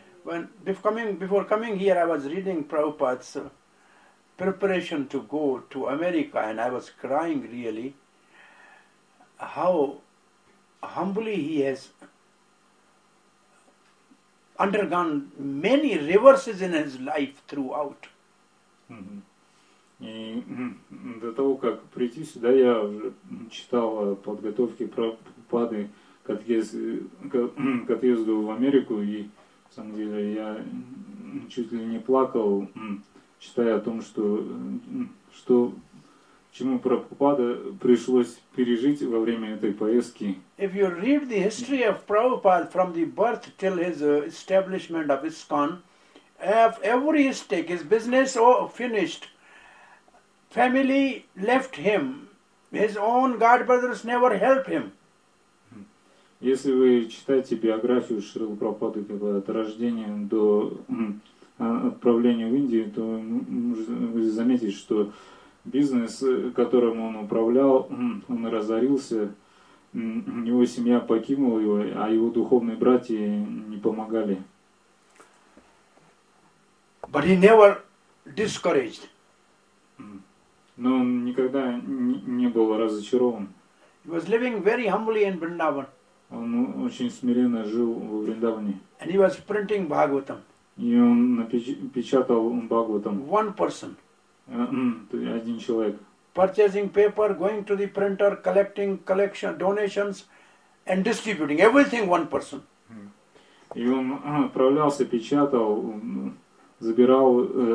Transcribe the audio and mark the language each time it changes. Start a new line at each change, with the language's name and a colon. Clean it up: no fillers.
English: When before coming here, I was reading Prabhupada's preparation to go to America, and I was crying really. How humbly he has undergone many reverses in his life throughout. Mm-hmm.
Russian: И до того, как прийти сюда, я уже читал о подготовке Прабхупады к отъезду в Америку. И, на самом деле, я чуть ли не плакал, читая о том, что чему Прабхупада пришлось пережить во время этой поездки.
English: If you read the history of Prabhupada from the birth till his establishment of ISKCON, every stake, his business finished. Family left him. His own god brothers never helped him.
Russian: Если вы читаете биографию Шрилы Прабхупады как бы от рождения до отправления в Индию, то вы можете заметить, что бизнес, которым он управлял, он разорился. Его семья покинула его, а его духовные братья не помогали.
English: But he never discouraged.
Russian: Но он никогда не был разочарован.
English: He was living very humbly in Vrindavan.
Russian: Он очень смиренно жил во Вриндаване.
English: And he was printing Bhagavatam.
Russian: И он печатал Бхагаватам.
English: One person.
Russian: Один человек.
English: Purchasing paper, going to the printer, collecting collection donations and distributing everything one person.
Russian: И он отправлялся, печатал, забирал.